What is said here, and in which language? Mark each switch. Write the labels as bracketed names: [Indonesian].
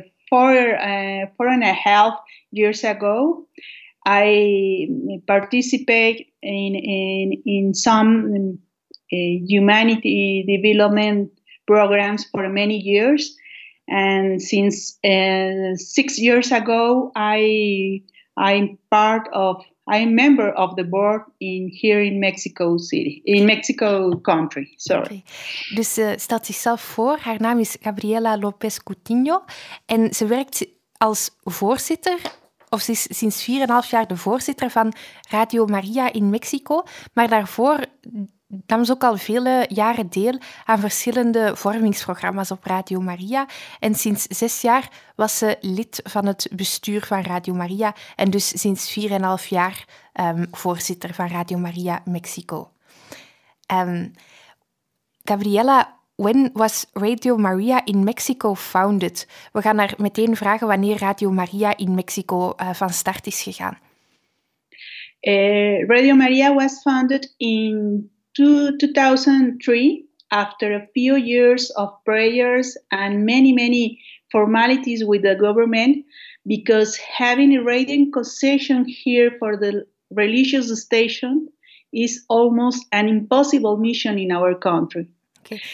[English] four and a half years ago, I participate in some humanity development programs for many years. And since 6 years ago, I'm a member of the board here in Mexico country. Sorry. Okay. [Dutch] Dus stelt zichzelf voor. Haar naam is Gabriela López Coutinho. En ze werkt als voorzitter, of ze is sinds 4,5 jaar de voorzitter van Radio Maria in Mexico. Maar daarvoor nam ze ook al vele jaren deel aan verschillende vormingsprogramma's op Radio Maria. En sinds 6 jaar was ze lid van het bestuur van Radio Maria. En dus sinds 4,5 jaar voorzitter van Radio Maria Mexico. [English] Gabriela, when was Radio Maria in Mexico founded? [Dutch] We gaan haar meteen vragen wanneer Radio Maria in Mexico van start is gegaan. [English] Radio Maria was founded in 2003, after a few years of prayers and many, many formalities with the government, because having a radio concession here for the religious station is almost an impossible mission in our country. Okay.